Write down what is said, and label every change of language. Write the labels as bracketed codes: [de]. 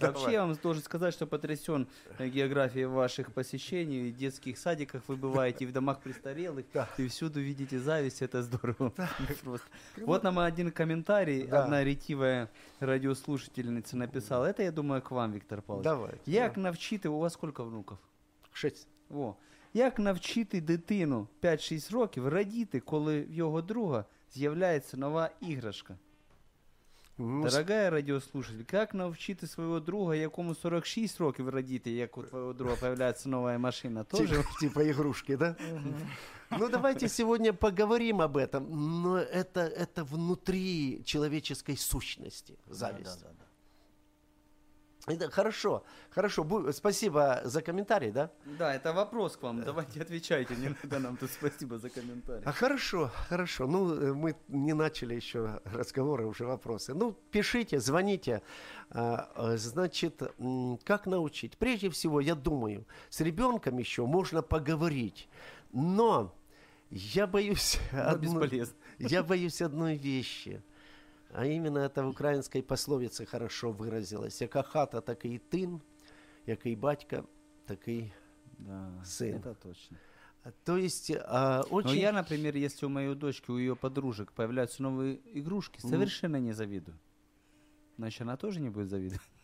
[ru] Вообще, я вам должен сказать, что потрясен географией ваших посещений, в детских садиках вы бываете, и в домах престарелых, и всюду видите зависть, это здорово. Вот нам один комментарий, одна ретивая радиослушательница написала. Это, я думаю, к вам, Виктор Павлович. Давайте. [uk] Як навчити... [ru] У вас сколько внуков? 6. [uk] О, як навчити дитину 5-6 років родити, коли в його друга з'являється нова іграшка? Дорогая радіослушатель, як навчити свого друга, якому 46 років родити, як у твого друга появляється нова машина? [ru] Тоже? [uk] Типа ігрушки, да? Ну, давайте сьогодні поговоримо [ru] об этом. Но это внутри человеческой сущности зависть. Да. Это хорошо. Спасибо за комментарий, да? Да, это вопрос к вам. Давайте отвечайте. Не надо нам тут спасибо за комментарий. А хорошо. Ну, мы не начали еще разговоры, уже вопросы. Ну, пишите, звоните. Значит, как научить? Прежде всего, я думаю, с ребенком еще можно поговорить. Но я боюсь... Я боюсь одной вещи. А именно это в украинской пословице хорошо выразилось. [uk] Яка хата, так и тин, як и батька, так и сын. [ru] Это точно. То есть, очень... Но я, например, если у моей дочки, у ее подружек появляются новые игрушки, совершенно не завидую. Значит, она тоже не будет завидовать.